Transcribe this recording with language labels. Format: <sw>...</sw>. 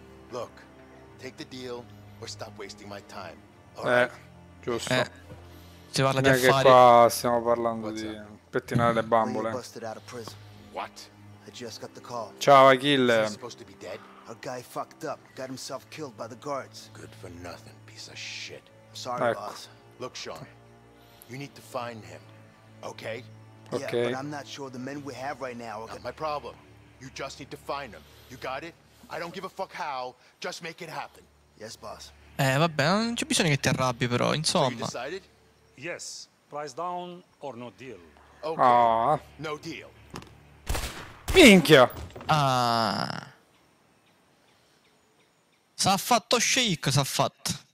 <en>Look, take the deal or stop wasting my time.</en> <it>Giusto. Si parla non di affari. Che qua stiamo parlando di pettinare le bambole.</it> <en>What? I just got the call. Ciao, Achille. He's supposed to be dead. A guy fucked up, got himself killed by the guards. Good for nothing, piece of shit. I'm sorry, boss. Look, Sean, you need to find him, okay? Okay. Yeah, but I'm not sure the men we have right now are... Not my problem. You just need to find him. You got it? I don't give a fuck how, just make it happen. Yes, boss.</en> <it>Vabbè, non c'è bisogno che ti arrabbi, però, insomma.</it> <en>So you decided? Yes. Price down or no deal? Okay. Aww. No deal.</en> <it>Minchia!</it> <en>Ah...</en> <it>S'ha fatto sheik, s'ha fatto.</it>